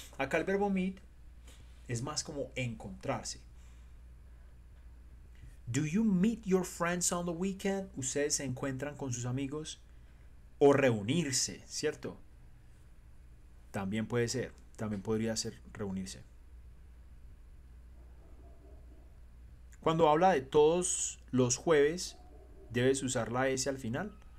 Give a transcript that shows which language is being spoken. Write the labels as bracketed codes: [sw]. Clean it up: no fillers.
[es] Acá el verbo meet es más como encontrarse. [en] Do you meet your friends on the weekend? [es] Ustedes se encuentran con sus amigos o reunirse, ¿cierto? También puede ser. También podría ser reunirse. Cuando habla de todos los jueves, debes usar la S al final.